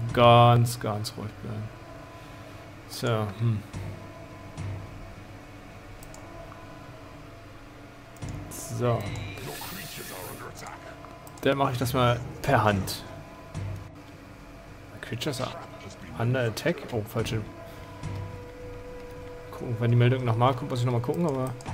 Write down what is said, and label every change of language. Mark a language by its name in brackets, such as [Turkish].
[German] Ganz, ganz ruhig bleiben. So, So. Dann mache ich das mal per Hand. [English] Creatures are under attack. [German] Oh, falsche. Gucken, wenn die Meldung nochmal kommt, muss ich nochmal gucken, aber.